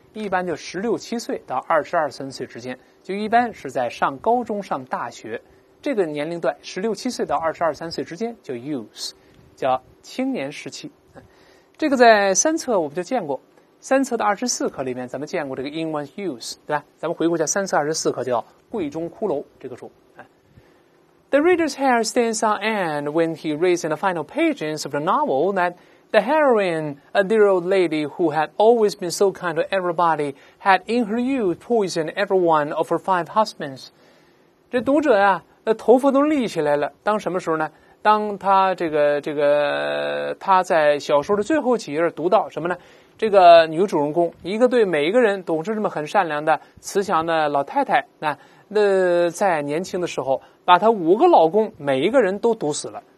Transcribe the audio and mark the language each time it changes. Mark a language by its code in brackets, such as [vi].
[zh] 一般就16、7岁到22、3岁之间，就一般是在上高中上大学这个年龄段，16、7岁到22、3岁之间就 youth， 叫青年时期。这个在三册我们就见过，三册的24课里面咱们见过这个 [en] in one's youth， [zh] 对吧？咱们回顾一下三册24课，叫贵中骷髅这个书。 [en] The reader's hair stands on end when he reads in the final pages of the novel that the heroine, a dear old lady who had always been so kind to everybody, had in her youth poisoned every one of her five husbands. [zh] 这读者啊，那头发都立起来了。当什么时候呢？当他这个他在小说的最后几页读到什么呢？这个女主人公一个对每一个人总是这么很善良的慈祥的老太太，那在年轻的时候把他五个老公每一个人都毒死了。